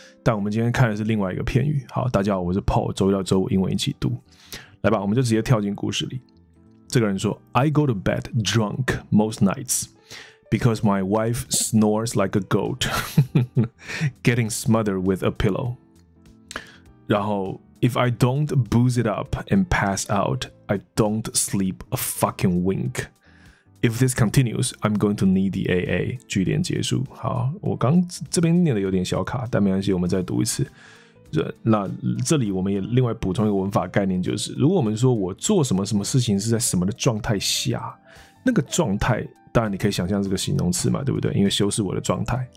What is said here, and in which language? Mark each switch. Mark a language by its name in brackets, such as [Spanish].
[Chinese] 但我们今天看的是另外一个片语。好，大家好，我是 Paul， 周一到周五英文一起读。来吧，我们就直接跳进故事里。这个人说 [English] I go to bed drunk most nights because my wife snores like a goat getting smothered with a pillow， [Chinese] 然后 [English] If I don't booze it up and pass out I don't sleep a fucking winkIf this continues, I'm going to need the AA. [Chinese] 句点结束。好，我刚这边念的有点小卡，但没关系，我们再读一次。那这里我们也另外补充一个文法概念，就是如果我们说我做什么什么事情是在什么的状态下，那个状态当然你可以想象是个形容词嘛，对不对？因为修饰我的状态。